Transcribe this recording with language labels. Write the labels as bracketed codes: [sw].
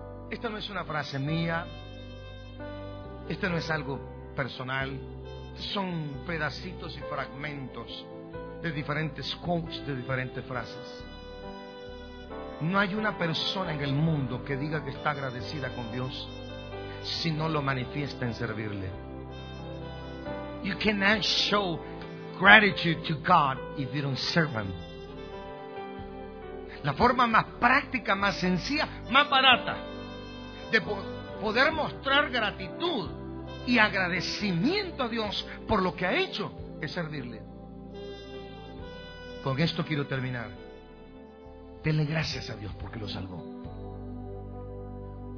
[es] Esta no es una frase mía. Esto no es algo personal. Son pedacitos y fragmentos de diferentes quotes, de diferentes frases. No hay una persona en el mundo que diga que está agradecida con Dios si no lo manifiesta en servirle. [en] You cannot show gratitude to God if you don't serve Him. [es] La forma más práctica, más sencilla, más barata de poder mostrar gratitud y agradecimiento a Dios por lo que ha hecho es servirle. Con esto quiero terminar. Denle gracias a Dios porque lo salvó.